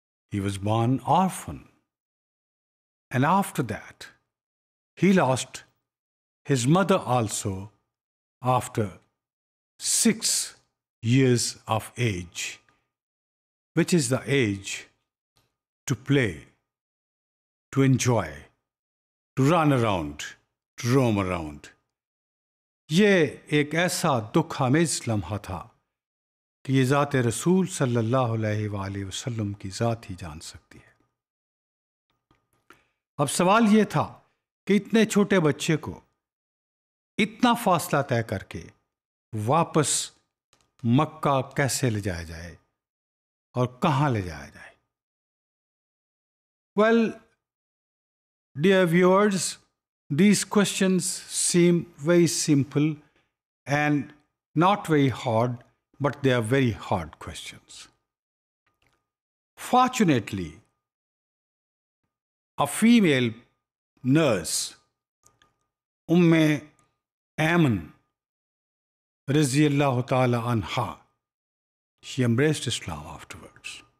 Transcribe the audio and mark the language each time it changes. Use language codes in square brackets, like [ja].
[en] He was born orphan. And after that, he lost his mother also after 6 years of age, which is the age to play, to enjoy, to run around, to roam around. [ur] یہ ایک ایسا دکھ آمیز لمحہ تھا کہ یہ ذات رسول صلی اللہ علیہ وآلہ وسلم کی ذات ہی جان سکتی ہے. اب سوال یہ تھا کہ اتنے چھوٹے بچے کو اتنا فاصلہ طے کر کے واپس مکہ کیسے لے جایا جائے اور کہاں لے جایا جائے. [en] Well, dear viewers, these questions seem very simple and not very hard, but they are very hard questions. Fortunately, a female nurse, Umme Aman, radiyallahu ta'ala anha, she embraced Islam afterwards.